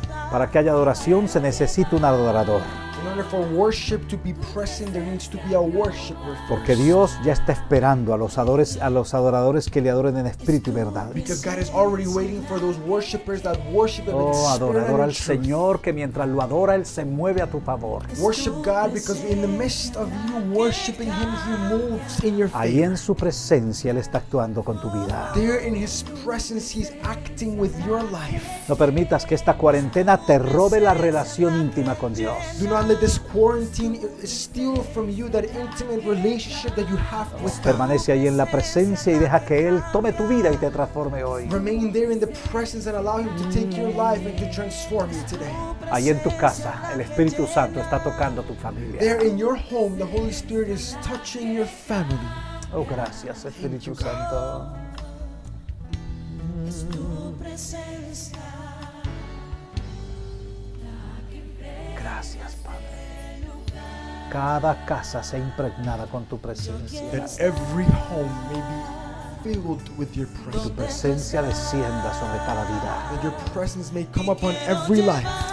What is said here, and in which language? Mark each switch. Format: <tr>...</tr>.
<es>Para que haya adoración, se necesita un adorador.</es> <en>In order for worship to be present, there needs to be a worshiper first.</en> <es>Porque Dios ya está esperando a los adoradores que le adoren en espíritu y verdad.</es> <en>Because God is already waiting for those worshipers that worship Him in spirit.</en> <es>Oh, adorador al Señor, que mientras lo adora, Él se mueve a tu favor.</es> <en>Worship God, because in the midst of you worshiping Him, He moves in your favor.</en> <es>Ahí en su presencia, Él está actuando con tu vida.</es> <en>There in His presence, He's acting with your life.</en> <es>No permitas que esta cuarentena te robe la relación íntima con Dios.</es> <en>And let this quarantine steal from you that intimate relationship that you have with God.</en> <es>Permanece ahí en la presencia y deja que Él tome tu vida y te transforme hoy.</es> <en>Remain there in the presence and allow Him to take your life and to transform you today.</en> <es>Ahí en tu casa, el Espíritu Santo está tocando tu familia.</es> <en>There in your home, the Holy Spirit is touching your family.</en> <es>Oh, gracias, Espíritu Santo. Gracias, Padre. Cada casa sea impregnada con tu presencia.</es> <en>That every home may be filled with your presence.</en> <es>Tu presencia descienda sobre cada vida.</es> <en>That your presence may come upon every life.</en>